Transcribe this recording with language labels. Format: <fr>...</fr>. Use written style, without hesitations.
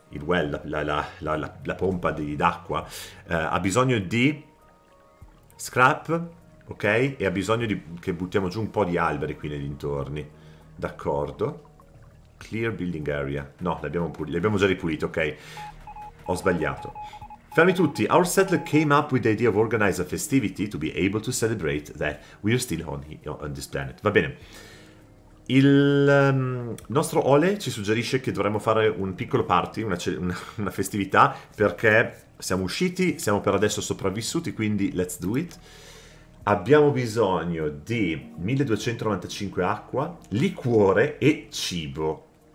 <it>Il well, la pompa d'acqua ha bisogno di scrap, ok? E ha bisogno di che buttiamo giù un po' di alberi qui nei dintorni. D'accordo.</it> <en>Clear building area.</en> <it>No, l'abbiamo già ripulito, ok? Ho sbagliato. Fermi tutti.</it> <en>Our settler came up with the idea of organizing a festivity to be able to celebrate that we are still on this planet.</en> <it>Va bene. Il nostro Ole ci suggerisce che dovremmo fare un piccolo party, una festività, perché siamo usciti, siamo per adesso sopravvissuti, quindi</it> <en>let's do it.</en> <it>Abbiamo bisogno di 1295 acqua, liquore e cibo.</it>